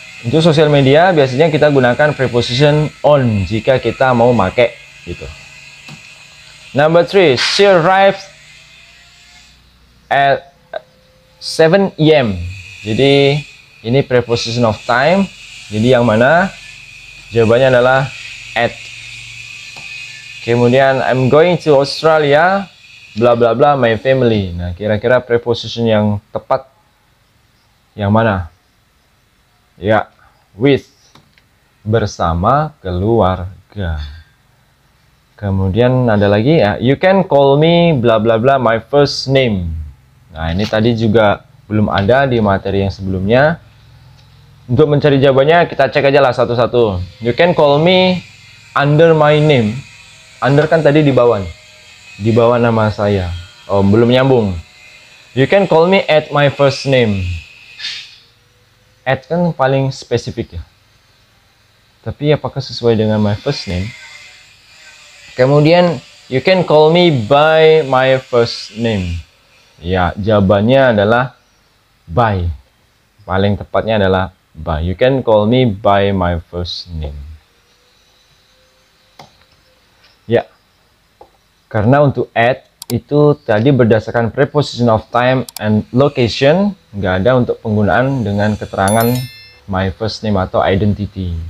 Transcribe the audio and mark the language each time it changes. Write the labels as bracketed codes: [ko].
[id] Untuk sosial media biasanya kita gunakan preposition on jika kita mau pakai gitu. [en] Number 3, she arrived at 7 a.m. [id] Jadi, ini preposition of time. Jadi, yang mana? Jawabannya adalah at. [en] Kemudian I'm going to Australia, bla bla bla, my family. [id] Nah, kira-kira preposition yang tepat yang mana? Ya, with, bersama keluarga. Kemudian ada lagi ya, [en] you can call me bla bla bla my first name. [id] Nah, ini tadi juga belum ada di materi yang sebelumnya. Untuk mencari jawabannya, kita cek aja lah satu-satu. [en] You can call me under my name. Under [id] kan tadi di bawah nih. Di bawah nama saya. Oh, belum nyambung. [en] You can call me at my first name. [id] At kan paling spesifik ya. Tapi apakah sesuai dengan my first name? [en] Kemudian, you can call me by my first name. [id] Ya, jawabannya adalah by. Paling tepatnya adalah by. [en] You can call me by my first name. [id] Ya, karena untuk at itu tadi berdasarkan preposition of time and location, nggak ada untuk penggunaan dengan keterangan my first name atau identity.